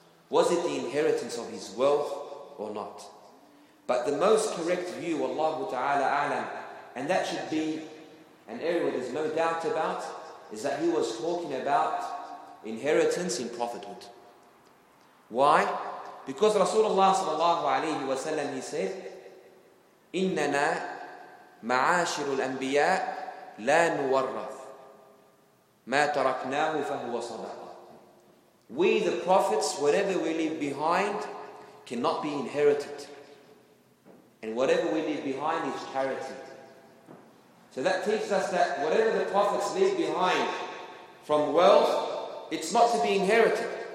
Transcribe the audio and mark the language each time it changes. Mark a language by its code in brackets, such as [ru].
[en] Was it the inheritance of his wealth or not? But the most correct view, [ar] Wallahu ta'ala a'lam, [en] and that should be an area there's no doubt about, is that he was talking about inheritance in prophethood. Why? Because Rasulullah sallallahu alayhi wa sallam, he said, [ar] إِنَّنَا مَعَاشِرُ الْأَنْبِيَاءِ لَا نُوَرَّثُ مَا تَرَكْنَاهُ فَهُوَ صَدَقَةٌ. [en] We the prophets, whatever we leave behind, cannot be inherited. And whatever we leave behind is charity. So that teaches us that whatever the prophets leave behind from wealth, it's not to be inherited.